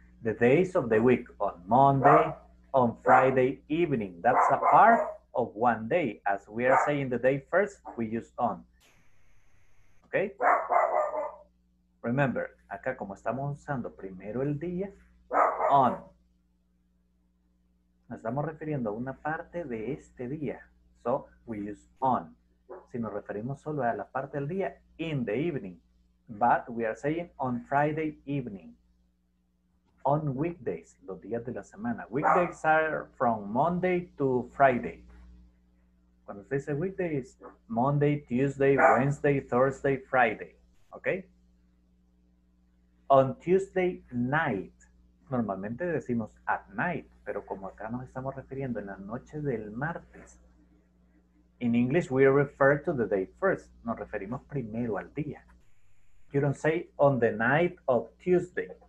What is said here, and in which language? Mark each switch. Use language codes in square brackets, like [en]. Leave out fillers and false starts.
[en] The days of the week, on Monday, on Friday evening. That's a part of one day. As we are saying the day first, we use on. Okay? [es] Remember, acá como estamos usando primero el día, on. Nos estamos refiriendo a una parte de este día. [en] So, we use on. [es] Si nos referimos solo a la parte del día, in the evening. [en] But we are saying on Friday evening. On weekdays, [es] los días de la semana. [en] Weekdays are from Monday to Friday. [es] Cuando se dice [en] weekdays, Monday, Tuesday, Wednesday, Thursday, Friday. Okay? On Tuesday night. [es] Normalmente decimos at night, pero como acá nos estamos refiriendo en la noche del martes. [en] In English, we refer to the day first. [es] Nos referimos primero al día. [en] You don't say on the night of Tuesday.